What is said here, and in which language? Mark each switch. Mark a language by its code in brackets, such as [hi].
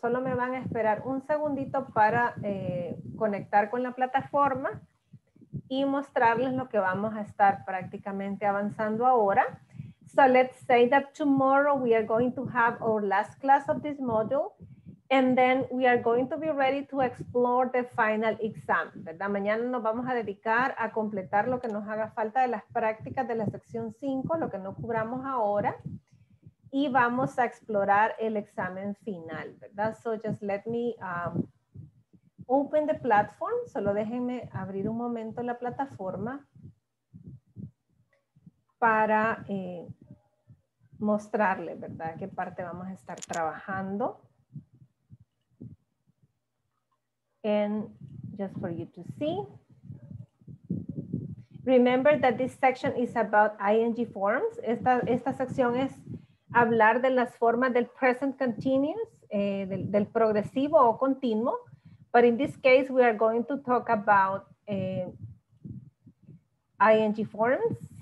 [es] Solo me van a esperar un segundito para conectar con la plataforma y mostrarles lo que vamos a estar prácticamente avanzando ahora. [en] So let's say that tomorrow we are going to have our last class of this module, and then we are going to be ready to explore the final exam, ¿verdad? [es] Mañana nos vamos a dedicar a completar lo que nos haga falta de las prácticas de la sección 5, lo que no cubramos ahora, y vamos a explorar el examen final, ¿verdad? [en] So just let me open the platform, [es] solo déjenme abrir un momento la plataforma para mostrarles, ¿verdad?, qué parte vamos a estar trabajando. [en] And just for you to see. Remember that this section is about ING forms. [es] Esta sección es hablar de las formas del present continuous, del progresivo o continuo. [en] But in this case, we are going to talk about ING forms.